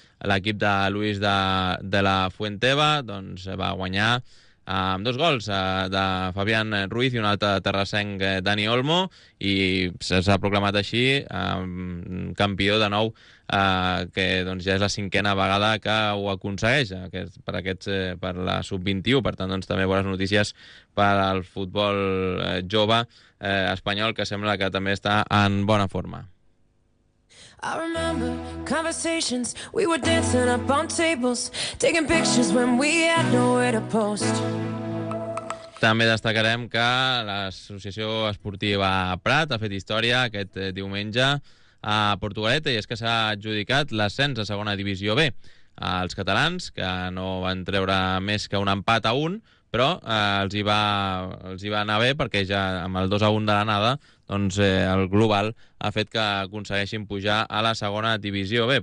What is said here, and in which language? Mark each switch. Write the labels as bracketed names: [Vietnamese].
[Catalan] L'equip de Luis de la Fuenteva doncs, va guanyar amb 2 gols de Fabián Ruiz i un altre terrassenc Dani Olmo i s'ha proclamat així campió de nou, que doncs, ja és la 5ª vegada que ho aconsegueix per la sub-21. Per tant, doncs, també bones notícies per al futbol jove espanyol, que sembla que també està en bona forma. [English] I remember conversations, we were dancing up on tables, taking pictures when we had nowhere to post. [Catalan] També destacarem que l'Associació Esportiva Prat ha fet història aquest diumenge a Portugalete i és que s'ha adjudicat l'ascens a segona divisió B. Els catalans, que no van treure més que un empat a un, però els hi va anar bé perquè ja amb el 2-1 de l'anada doncs, el global ha fet que aconsegueixin pujar a la segona divisió B.